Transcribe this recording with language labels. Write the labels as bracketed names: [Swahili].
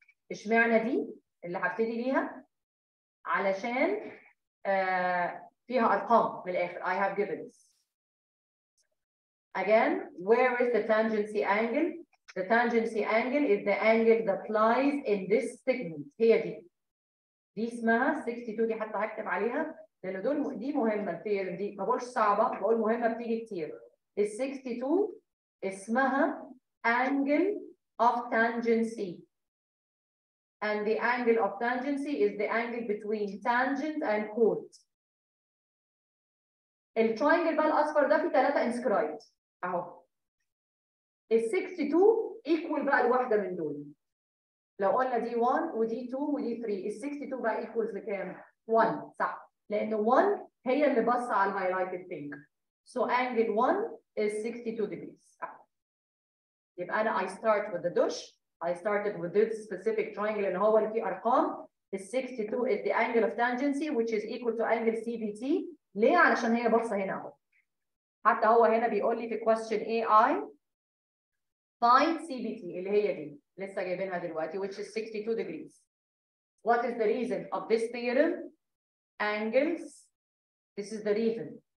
[Arabic] اشمعنى دي اللي هبتدي بيها؟ علشان فيها أرقام من الآخر. [English] I have given this. Again, where is the tangency angle? The tangency angle is the angle that lies in this segment. [Arabic] هي دي. دي اسمها 62 دي حتى هكتب عليها لأن دول دي مهمة الثيرم دي ما بقولش صعبة بقول مهمة بتيجي كتير. ال 62 اسمها angle of tangency. [English] And the angle of tangency is the angle between tangent and chord. [Arabic] الترينجل بقى الاصفر ده في ثلاثه انسكرايبد اهو. ال 62 ايكوال بقى لواحده من دول. لو قلنا دي 1 ودي 2 ودي 3 ال 62 بقى ايكوالز لكام؟ 1 صح لان 1 هي اللي باصه على الهايلايتد بينك. [English] So angle 1 is 62 degrees. [Arabic] يبقى انا [English] I start with the dush. I started with this specific triangle [Arabic] اللي هو اللي فيه ارقام. [English] ال 62 is the angle of tangency which is equal to angle CBT. [Arabic] ليه؟ علشان هي باصه هنا اهو. حتى هو هنا بيقول لي في question AI find CBT اللي هي دي لسه جايبينها دلوقتي [English] which is 62 degrees. What is the reason of this theorem? Angles. This is the reason.